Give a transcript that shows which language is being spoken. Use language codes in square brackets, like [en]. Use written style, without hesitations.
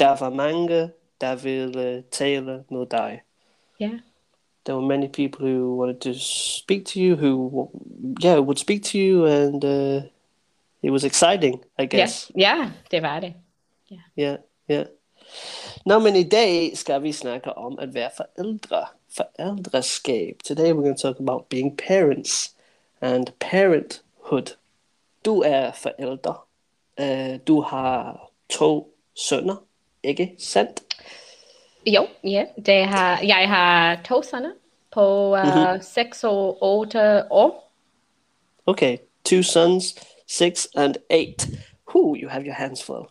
[da] Der var mange, der ville tale med dig. [en] Yeah. There were many people who wanted to speak to you, who would speak to you, and... It was exciting, I guess. [da] Yeah, det var det. [en] Yeah. [da] Nå, men i dag skal vi snakke om at være forældre. Forældreskab. [en] Today we're going to talk about being parents and parenthood. [da] Du er forældre. Du har 2 sønner, ikke sandt? Jo, yeah. Jeg har 2 sønner på 6 og 8 år. [en] Okay, 2 sons. 6 and 8. Whew, you have your hands full.